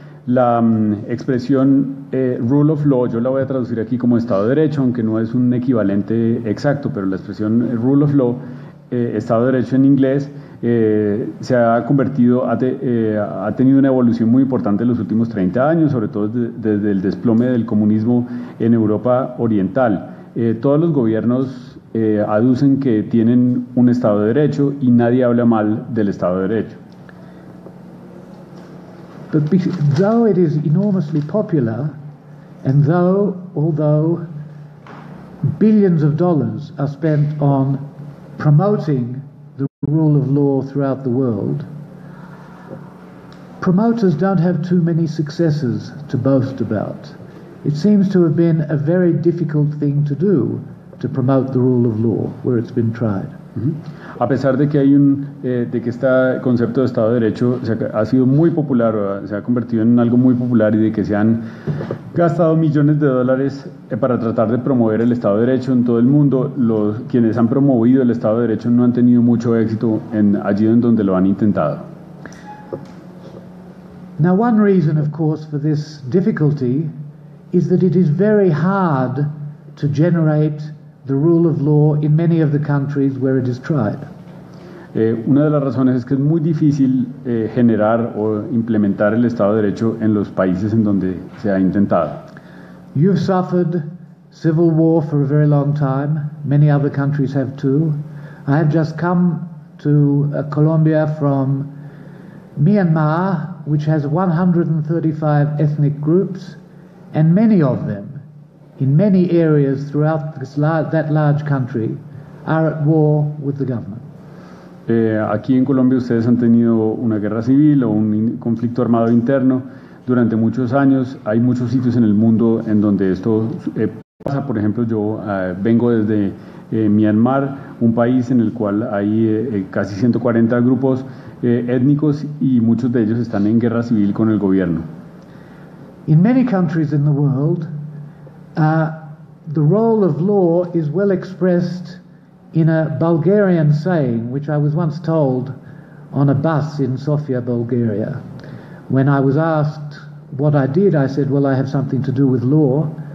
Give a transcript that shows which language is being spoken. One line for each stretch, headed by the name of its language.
Spanish: La expresión rule of law, yo la voy a traducir aquí como Estado de Derecho, aunque no es un equivalente exacto, pero la expresión rule of law, Estado de Derecho en inglés, ha tenido una evolución muy importante en los últimos 30 años, sobre todo desde el desplome del comunismo en Europa Oriental. Todos los gobiernos aducen que tienen un Estado de Derecho, y nadie habla mal del Estado de Derecho.
English: But though it is enormously popular, and although billions of dollars are spent on promoting the rule of law throughout the world, promoters don't have too many successes to boast about. It seems to have been a very difficult thing to do, to promote the rule of law where it's been tried.
Spanish: A pesar de que hay de que este concepto de Estado de Derecho ha sido muy popular, se ha convertido en algo muy popular y de que se han gastado millones de dólares para tratar de promover el Estado de Derecho en todo el mundo, quienes han promovido el Estado de Derecho no han tenido mucho éxito allí en donde lo han intentado.
English: Now one reason, of course, for this difficulty is that it is very hard to generate the rule of law in many of the countries where it is tried.
Spanish: Una de las razones es que es muy difícil generar o implementar el Estado de Derecho en los países en donde se ha intentado.
English: You've suffered civil war for a very long time. Many other countries have too. I have just come to Colombia from Myanmar, which has 135 ethnic groups, and many of them, in many areas throughout that large country, are at war with the government.
Spanish: Aquí en Colombia ustedes han tenido una guerra civil o un conflicto armado interno durante muchos años. Hay muchos sitios en el mundo en donde esto pasa. Por ejemplo, yo vengo desde Myanmar, un país en el cual hay casi 140 grupos étnicos y muchos de ellos están en guerra civil con el gobierno.
English: In many countries in the world, the role of law is well expressed in a Bulgarian saying, which I was once told on a bus in Sofia, Bulgaria. When I was asked what I did, I said, well, I have something to do with law.